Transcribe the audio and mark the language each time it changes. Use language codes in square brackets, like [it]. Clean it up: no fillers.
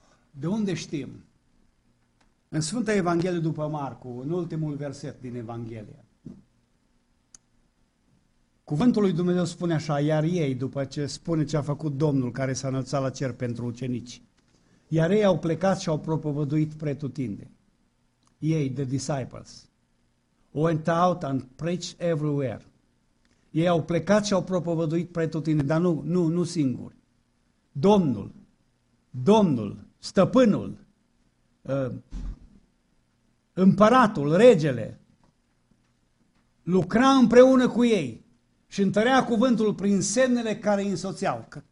[ro] De unde știm? În Sfânta Evanghelie după Marcu, în ultimul verset din Evanghelie, Cuvântul lui Dumnezeu spune așa, iar ei, după ce spune ce a făcut Domnul care s-a înălțat la cer pentru ucenici, iar ei au plecat și au propovăduit pretutinde. [en] Ei, the disciples, went out and preached everywhere. [ro] Ei au plecat și au propovăduit pretutinde, dar nu, nu, nu singuri. Domnul, Domnul, Stăpânul, Împăratul, Regele, lucra împreună cu ei și întărea cuvântul prin semnele care îi însoțeau.